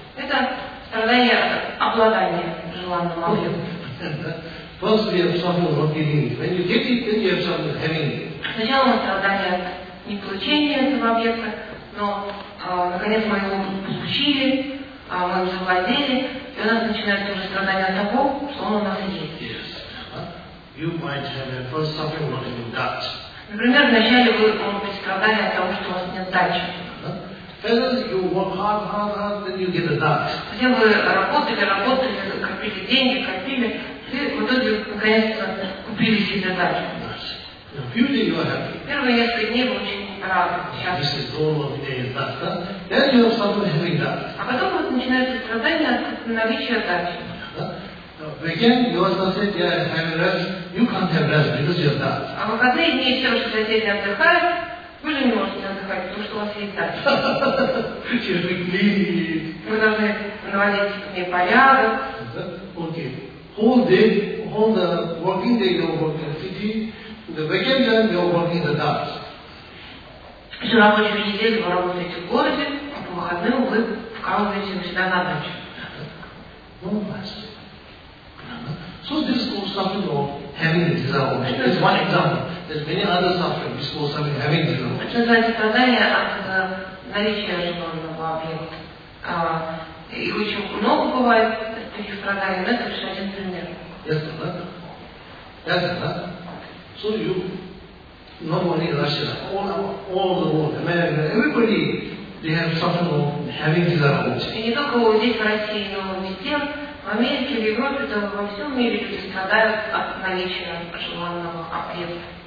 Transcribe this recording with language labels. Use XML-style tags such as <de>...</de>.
<ru>Это страдание обладания желанным объектом.</ru> <en>First we have suffering not getting it. When you get it, then you have suffering having it.</en> <ru>Сначала мы страдание от неполучения этого объекта, но наконец мы его получили, мы им завладели. И у нас начинается уже страдание от того, что он у нас есть.</ru> <en>Yes. You might have a first suffering not having that.</en> <ru>Например, вначале вы можете страдать от того, что у вас нет дачи.</ru> <en>First you work hard, then you get a dot.</en> <ru>Затем вы работали, копили деньги, и в итоге наконец-то купили себе дачу.</ru> <en>Yes. A few days you are happy.</en> <ru>Первые несколько дней вы очень рады.</ru> <en>This is all of the dot. Then you have suffering having that.</en> <ru>А потом вот начинается страдание от наличия дачи.</ru> <en>Again, you also said, yeah, I have rest. You can't have rest because you have that.</en> <ru>А в выходные дни все, что соседи отдыхают, вы же не можете отдыхать, потому что у вас есть дача.</ru> <en>You have to clean it.</en> <ru>Мы должны наводить ей порядок.</ru> <en>Okay. Whole day, whole the working day, you work in the city. The weekend, then, you work in the dots. Всю рабочую неделю вы работаете в городе, а по выходным вы вкалываете у себя на дачу.</en> <ru>Ну, пожалуйста.</ru> <en>So this is called suffering of having the desire object. That's one example. There's many other suffering. This is called suffering of having the desire object.</en> <ru>Это называется страдание от наличия желанного объекта. И очень много бывает таких страданий. Но это лишь один пример.</ru> <en>Yes,</en> <ru>да?</ru> <en>Yes, да? So you, normally Russia, all the world, America, everybody, they have suffering of having the desire object.</en> <ru>И не только здесь, в России, но везде. В Америке, в Европе, да во всем мире люди страдают от наличия желанного объекта.</ru>